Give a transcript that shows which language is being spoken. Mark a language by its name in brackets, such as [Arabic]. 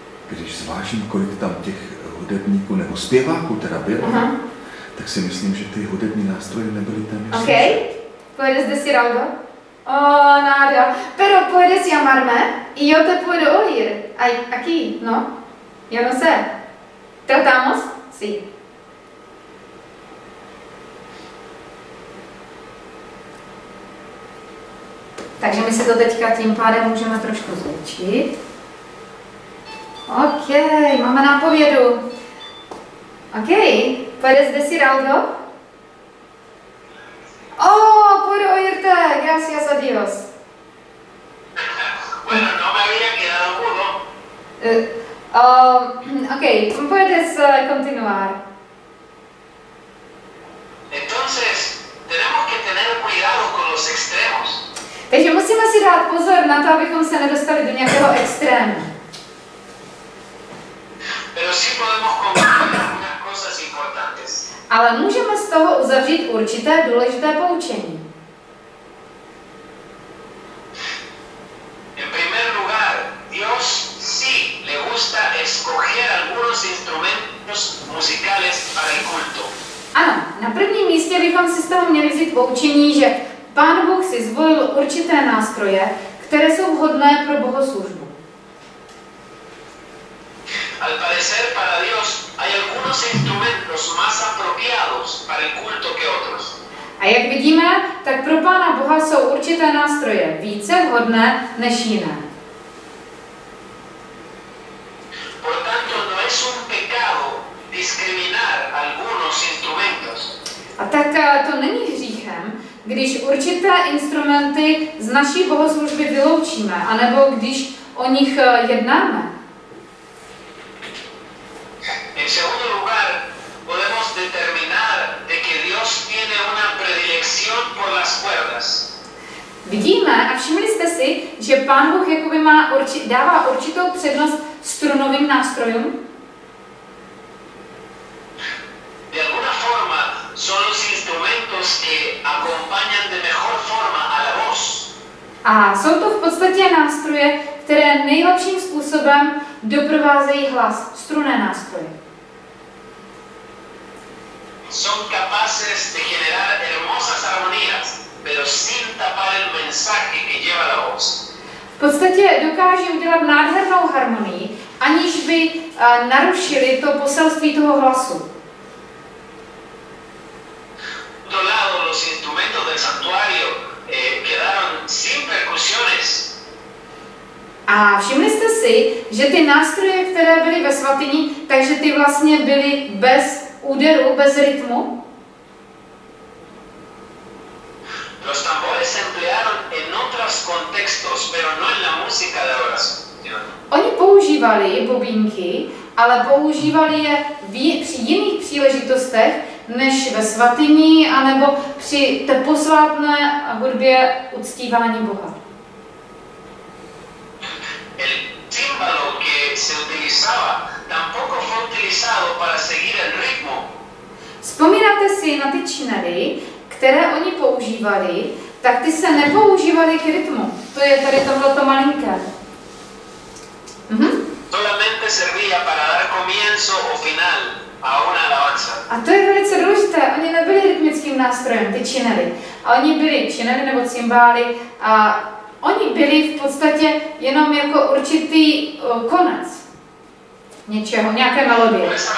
[Czech] Když zvážím, kolik tam těch hudebníků nebo zpěváků teda bylo, aha, tak si myslím, že ty hudební nástroje nebyly tam. [Spanish] Ok, puedes decir algo? Oh, nada. Pero puedes llamarme y yo te puedo oír. Ay, aquí, ¿no? Yo no sé. ¿Tratamos? Sí. [Czech] Takže my si to teďka tím pádem můžeme trošku zvětšit. [Spanish] Ok, [Czech] máme nápovědu. [Spanish] Ok, puedes decir algo? Oh, puedo oírte, gracias a Dios. Bueno, no me había quedado mudo. Ok, puedes continuar. Entonces, tenemos que tener cuidado con los extremos. [Czech] Takže musíme si dát pozor na to, abychom se nedostali do nějakého extrému. [Spanish] Pero sí podemos concluir unas cosas importantes. [Czech] Ale můžeme z toho uzavřít určité důležité poučení. [Spanish] En primer lugar, Dios sí le gusta escoger algunos instrumentos musicales para el culto. [Czech] Ano, na prvním místě bychom si z toho měli vzít poučení, že Pán Bůh si zvolil určité nástroje, které jsou vhodné pro bohoslužbu. [Spanish] Al parecer para Dios hay algunos instrumentos más apropiados para el culto que otros. [Czech] A jak vidíme, tak pro Pána Boha jsou určité nástroje více vhodné než jiné. [Spanish] Por tanto, no es un pecado discriminar algunos instrumentos. [Czech] A tak to není hříchem, když určité instrumenty z naší bohoslužby vyloučíme, anebo když o nich jednáme. [Spanish] En segundo lugar, podemos determinar de que Dios tiene una predilección por las cuerdas. [Czech] Vidíme a všimli jste si, že Pán Bůh jakoby má dává určitou přednost strunovým nástrojům? [Spanish] De alguna forma, son los instrumentos que acompañan de mejor forma a la voz. [Czech] A jsou to v podstatě nástroje, které nejlepším způsobem doprovázejí hlas, strunné nástroje. [Spanish] Son capaces de generar hermosas armonías, pero sin tapar el mensaje que lleva la voz. [Czech] V podstatě dokáží udělat nádhernou harmonii, aniž by narušili to poselství toho hlasu. [Spanish] Otro lado, los instrumentos del santuario quedaron sin percusiones. [Czech] A všimli jste si, že ty nástroje, které byly ve svatyni, takže ty vlastně byly bez úderu, bez rytmu? [Spanish] Los tambores se emplearon en otros contextos, pero no en la música de oración. [Czech] Oni používali bobínky, ale používali je při jiných příležitostech, než ve svatyni, anebo při té posvátné hudbě uctívání Boha. [Spanish] El címbalo que se utilizaba tampoco fue utilizado para seguir el ritmo. [Czech] Vzpomínáte si na ty činely, které oni používali, tak ty se nepoužívali k rytmu. To je tady tohleto malinké. [Spanish] Solamente servía para dar comienzo o final a una alabanza. [Czech] A to je velice důležité. Oni nebyli rytmickým nástrojem, ty činely. A oni byli činely nebo cymbály a oni byli v podstatě jenom jako určitý konec něčeho, nějaké melodie.